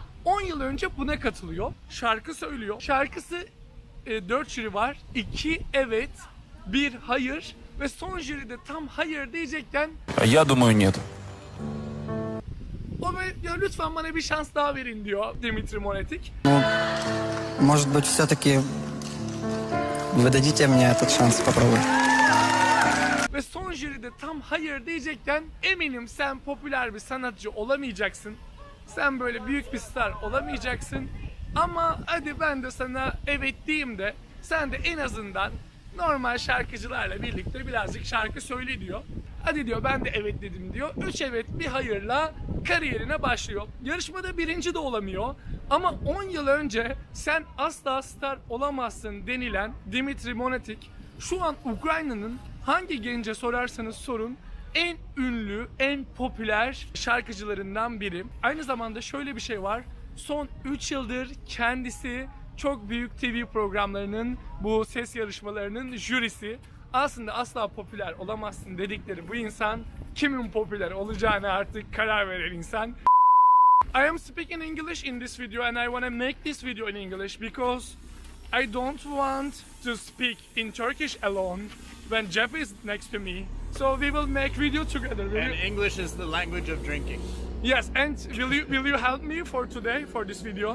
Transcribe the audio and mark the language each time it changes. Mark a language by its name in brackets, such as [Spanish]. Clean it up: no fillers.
[Turkish] 10 yıl önce buna katılıyor. Şarkı söylüyor. Şarkısı 4 jüri var. 2 evet, 1 hayır. Ve son jüride tam hayır diyecekken... [Russian] Я думаю, нет. [Turkish] O ya lütfen bana bir şans daha verin diyor Dmitry Monatik. [Russian] Может быть, все-таки вы дадите мне этот шанс попробовать. [Turkish] Ve son jüride tam hayır diyecekten eminim sen popüler bir sanatçı olamayacaksın. Sen böyle büyük bir star olamayacaksın. Ama hadi ben de sana evet diyeyim de sen de en azından normal şarkıcılarla birlikte birazcık şarkı söyle diyor. Hadi diyor ben de evet dedim diyor. 3 evet bir hayırla kariyerine başlıyor. Yarışmada birinci de olamıyor. Ama 10 yıl önce sen asla star olamazsın denilen Dmitry Monatik şu an Ukrayna'nın hangi gence sorarsanız sorun en ünlü, en popüler şarkıcılarından biri. Aynı zamanda şöyle bir şey var. Son 3 yıldır kendisi çok büyük TV programlarının, bu ses yarışmalarının jürisi. Aslında asla popüler olamazsın dedikleri bu insan, kimin popüler olacağını artık karar veren insan. [English] I am speaking English in this video and I want to make this video in English because I don't want to speak in Turkish alone when Jeff is next to me. So we will make video together. And English is the language of drinking. Yes, and will you help me for today, for this video?